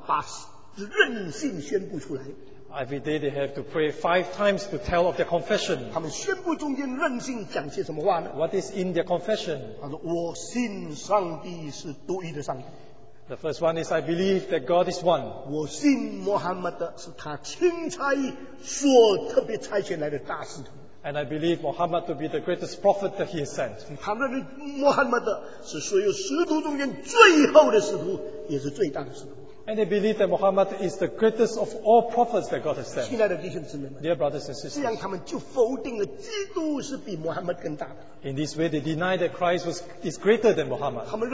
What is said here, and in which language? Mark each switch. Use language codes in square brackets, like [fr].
[zh] 一个礼拜一天要五次祷告，把任性宣布出来。 [en] Every day they have to pray 5 times to tell of their confession. [zh] 他们宣布中间任性讲些什么话呢？ [en] What is in their confession? [zh] 他说我信上帝是独一的上帝。 [en] The first one is, I believe that God is one. [zh] 我信穆罕默德是他钦差所特别差遣来的大使徒。 [en] And I believe Muhammad to be the greatest prophet that he has sent. [zh] 他们认为穆罕默德是所有使徒中间最后的使徒，也是最大的使徒。 [en] And they believe that Muhammad is the greatest of all prophets that God has sent. [zh] 亲爱的弟兄姊妹们, [en] Dear brothers and sisters, [zh] 这样他们就否定了基督是比穆罕默德更大的。 [en] In this way, they deny that Christ is greater than Muhammad.